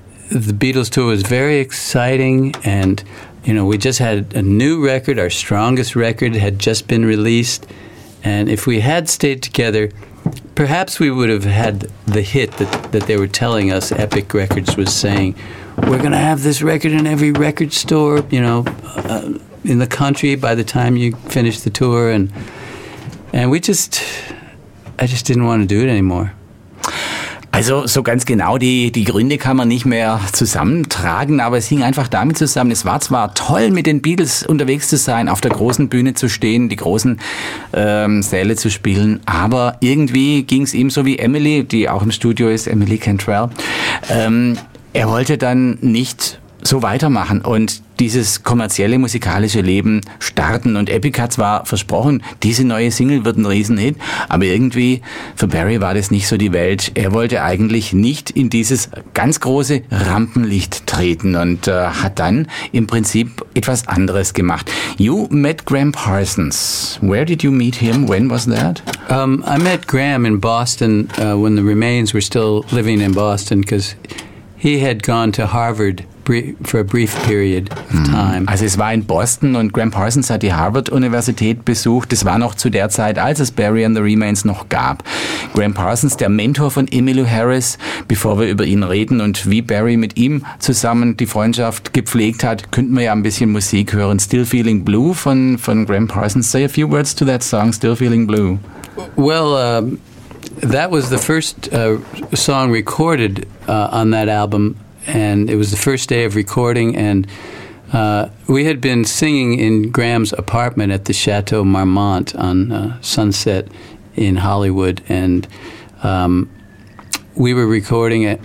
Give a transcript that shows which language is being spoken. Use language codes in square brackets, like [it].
[en] The Beatles tour was very exciting, and, you know, we just had a new record, our strongest record had just been released, and if we had stayed together, perhaps we would have had the hit that they were telling us Epic Records was saying, we're going to have this record in every record store, you know, in the country by the time you finish the tour. And I just didn't want to do it anymore. [de] Also so ganz genau, die Gründe kann man nicht mehr zusammentragen, aber es hing einfach damit zusammen, es war zwar toll, mit den Beatles unterwegs zu sein, auf der großen Bühne zu stehen, die großen Säle zu spielen, aber irgendwie ging es ihm so wie Emily, die auch im Studio ist, Emily Cantrell, er wollte dann nicht so weitermachen und dieses kommerzielle musikalische Leben starten. Und Epic hat zwar versprochen, diese neue Single wird ein Riesenhit, aber irgendwie für Barry war das nicht so die Welt. Er wollte eigentlich nicht in dieses ganz große Rampenlicht treten und hat dann im Prinzip etwas anderes gemacht. [en] You met Graham Parsons. Where did you meet him? When was that? I met Graham in Boston when the Remains were still living in Boston, because he had gone to Harvard for a brief period of time. [de] Also es war in Boston und Graham Parsons hat die Harvard-Universität besucht. Das war noch zu der Zeit, als es Barry and the Remains noch gab. Graham Parsons, der Mentor von Emmylou Harris, bevor wir über ihn reden und wie Barry mit ihm zusammen die Freundschaft gepflegt hat, könnten wir ja ein bisschen Musik hören. Still Feeling Blue von Graham Parsons. [en] Say a few words to that song, Still Feeling Blue. Well, that was the first song recorded on that album. And it was the first day of recording, and we had been singing in Graham's apartment at the Chateau Marmont on Sunset in Hollywood, and we were recording it.